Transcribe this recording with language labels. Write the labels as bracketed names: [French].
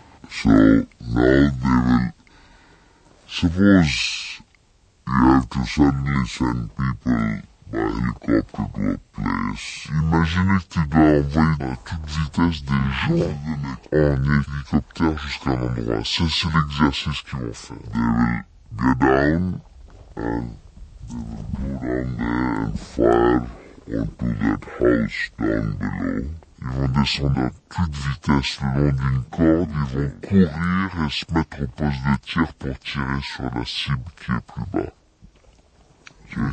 [English] So now they will, suppose you have to suddenly send people by helicopter to a place. Imagine if [French] tu dois envoyer à toute vitesse des gens en hélicoptère jusqu'à un endroit. Ça, c'est l'exercice qu'ils vont faire. [English] They will get down and they will go down there and fire onto that house down below. [French] Ils vont descendre à toute vitesse le long d'une corde, ils vont courir et se mettre au poste de tir pour tirer sur la cible qui est plus bas.